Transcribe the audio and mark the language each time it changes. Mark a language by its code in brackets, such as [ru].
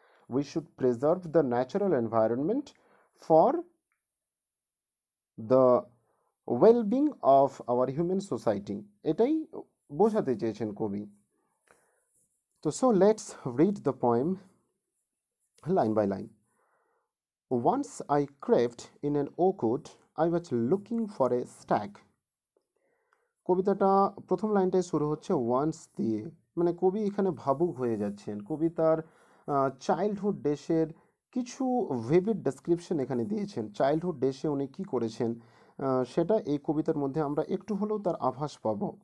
[en] we should preserve the natural environment for the wellbeing of our human society, [bn] এটাই বোঝাতে চেয়েছেন কবি। তো [en] So let's read the poem line by line. Once I crept in an oak wood, I was looking for a stag. [bn] কবিতাটা প্রথম লাইনটাই শুরু হচ্ছে once দিয়ে, মানে কবি এখানে ভাবুক হয়ে যাচ্ছেন। কবি তার চাইল্ডহুড ডেসের কিছু ভিভিড ডেসক্রিপশন এখানে দিয়েছেন, চাইল্ডহুড ডেসে উনি কী করেছেন সেটা এই কবিতার মধ্যে আমরা একটু হলেও তার আভাস পাব।